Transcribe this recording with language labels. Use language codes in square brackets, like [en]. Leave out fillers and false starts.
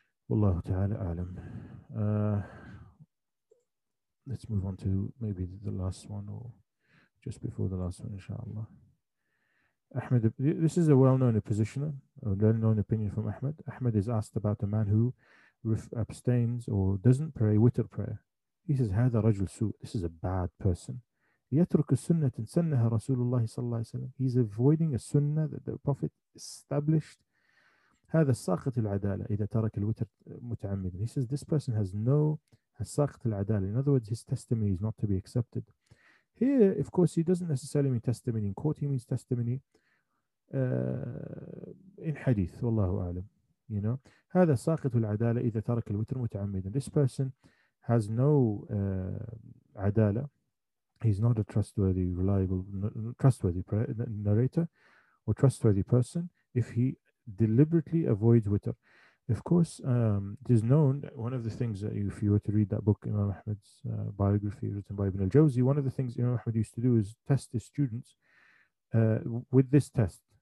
[en] Wallahu ta'ala a'lam. Let's move on to maybe the last one, or just before the last one, inshallah. Ahmed, this is a well-known positioner, a well-known opinion from Ahmed. Ahmed is asked about a man who abstains or doesn't pray witr prayer. He says, [ar] هذا رجل سوء. [en] This is a bad person. [ar] يترك السنة سنها رسول الله صلى الله عليه وسلم. [en] He's avoiding a sunnah that the Prophet established. [ar] هذا ساقط العدالة إذا ترك الوتر متعمدا. [en] He says, this person has no [ar] الساقط العدالة. [en] In other words, his testimony is not to be accepted. Here, of course, he doesn't necessarily mean testimony in court. He means testimony in hadith. Wallahu a'lam. You know, [ar] هذا ساقط العدالة إذا ترك الوتر متعمدا. [en] This person has no عدالة. He's not a trustworthy, reliable, trustworthy narrator or trustworthy person if he deliberately avoids witr. Of course, it is known, one of the things that if you were to read that book, Imam Ahmed's biography written by Ibn al-Jawzi, one of the things Imam Ahmed used to do is test his students with this test.